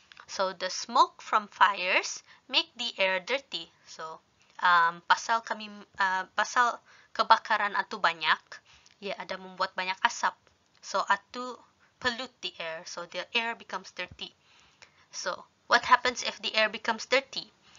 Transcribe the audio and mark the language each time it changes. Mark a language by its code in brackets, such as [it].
[en] So the smoke from fires make the air dirty. [ms] So pasal kami pasal kebakaran itu banyak, ya ada membuat banyak asap. [en] So itu pollute the air. So the air becomes dirty. So what happens if the air becomes dirty?